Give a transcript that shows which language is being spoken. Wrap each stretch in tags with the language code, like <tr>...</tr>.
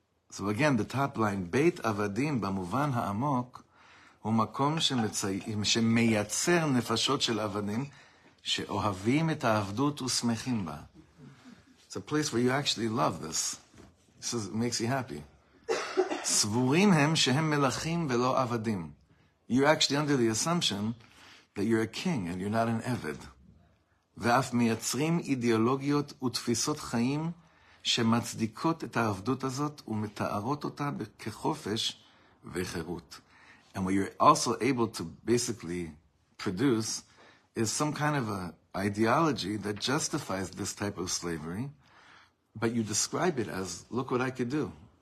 <en>So again, the top line,</en> <he>Beit Avadim b'muvan ha'amok, ומקום שמייצר נפשות של עבדים שאוהבים את העבדות ושמחים בה.</he> <en>It's a place where you actually love this. This makes you happy.</en> <he>סבורים הם שהם מלכים ולא עבדים.</he> <en>You're actually under the assumption that you're a king and you're not an עבד.</en> <he>ואף מייצרים אידיאולוגיות ותפיסות חיים שמצדיקות את העבדות הזאת ומתארות אותה כחופש וחירות.</he> <en>And what you're also able to basically produce is some kind of a ideology that justifies this type of slavery, but you describe it as, look what I could do.</en>